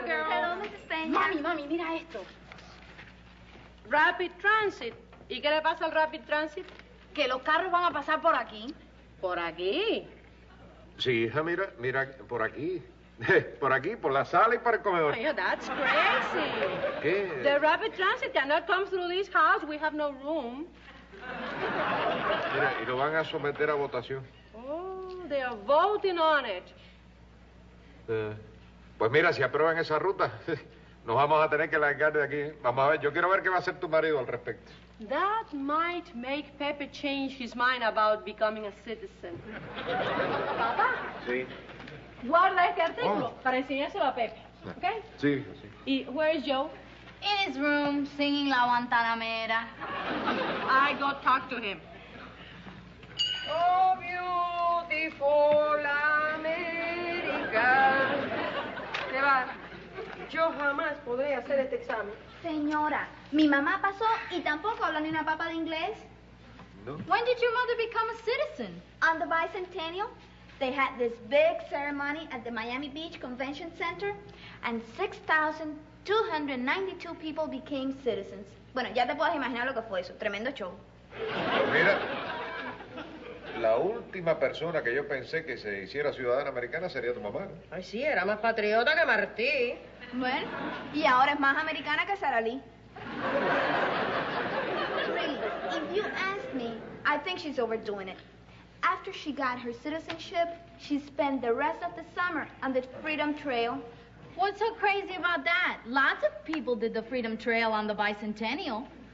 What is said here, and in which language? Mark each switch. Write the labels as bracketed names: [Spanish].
[English] Hi, girl. [Spanish] ¿De dónde te enseñan? Mami, mira esto. Rapid Transit. ¿Y qué le pasa al Rapid Transit? Que los carros van a pasar por aquí. ¿Por aquí? Sí, hija, mira, por aquí. Por aquí, por la sala y por el comedor. [English] Oh, yeah, that's crazy. [Spanish] ¿Qué? [English] The rapid transit cannot come through this house. We have no room. [Spanish] Mira, y lo van a someter a votación. [English] Oh, they are voting on it. [Spanish] Pues mira, si aprueban esa ruta, nos vamos a tener que largar de aquí. Vamos a ver, yo quiero ver qué va a hacer tu marido al respecto. [English] That might make Pepe change his mind about becoming a citizen. [Spanish] ¿Papá? Sí. Guarda este artículo para enseñárselo a Pepe, ¿ok? Sí, sí. [English] ¿Y where is Joe? In his room, singing La Guantanamera. I go talk to him. Oh, beautiful America. [Spanish] ¿Qué va? Yo jamás podré hacer este examen. Señora, mi mamá pasó y tampoco habla ni una papa de inglés. No. [English] When did your mother become a citizen? On the bicentennial. They had this big ceremony at the Miami Beach Convention Center, and 6,292 people became citizens. [Spanish] Bueno, ya te puedes imaginar lo que fue eso. Tremendo show. Mira, la última persona que yo pensé que se hiciera ciudadana americana sería tu mamá. Ay, sí, era más patriota que Martí. Bueno, y ahora es más americana que Sara Lee. [English] Really, if you ask me, I think she's overdoing it. After she got her citizenship, she spent the rest of the summer on the Freedom Trail. What's so crazy about that? Lots of people did the Freedom Trail on the bicentennial.